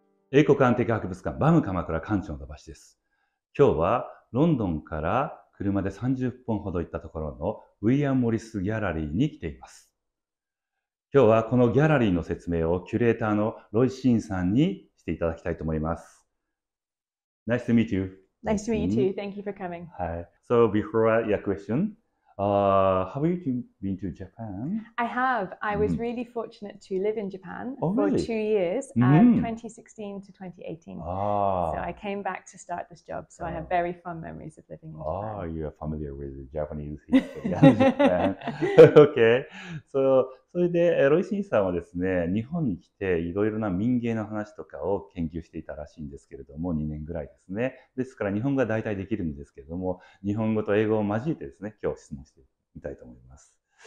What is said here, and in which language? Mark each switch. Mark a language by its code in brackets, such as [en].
[ja] 英国アンティーク博物館 BAM 鎌倉館長の戸橋です。今日はロンドンから車で30分ほど行ったところのウィリアム・モリスギャラリーに来ています。今日はこのギャラリーの説明をキュレーターのロイシーンさんにしていただきたいと思います。 [en] Nice to meet you. Nice to meet you. Thank you for coming. Hi. So before your question,have you been to Japan? I have. I was really fortunate to live in Japan for 2 years, 2016 to 2018. Ah. So I came back to start this job. So I have very fond memories of living in Japan. Ah, you are familiar with the Japanese history of Japan. Okay. [ja] So, それで、ロイシンさんはですね、日本に来ていろいろな民芸の話とかを研究していたらしいんですけれども、2年ぐらいですね。ですから日本語は大体できるんですけれども、日本語と英語を交えてですね、今日質問してみたいと思います。